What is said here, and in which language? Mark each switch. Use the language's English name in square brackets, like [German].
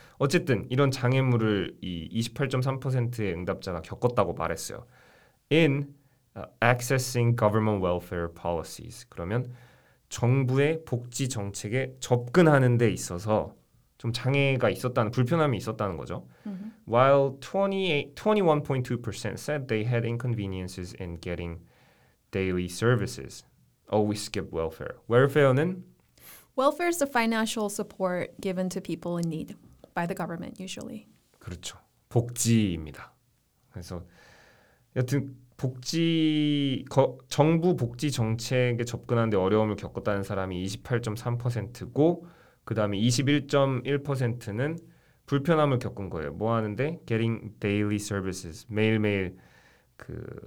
[Korean] 어쨌든 이런 장애물을 이 28.3%의 응답자가 겪었다고 말했어요. [English] In accessing government welfare policies. [Korean] 그러면 정부의 복지 정책에 접근하는 데 있어서 좀 장애가 있었다는, 불편함이 있었다는 거죠. Mm-hmm. [English] While 21.2% said they had inconveniences in getting daily services. Oh, we skip welfare. Welfare는? Welfare is the financial support given to people in need by the government, usually. [Korean] 그렇죠. 복지입니다. 그래서 여튼 복지, 정부 복지 정책에 접근하는데 어려움을 겪었다는 사람이 28.3%고 그 다음에 21.1%는 불편함을 겪은 거예요. 뭐 하는데? [English] Getting daily services. [Korean] 매일매일 그...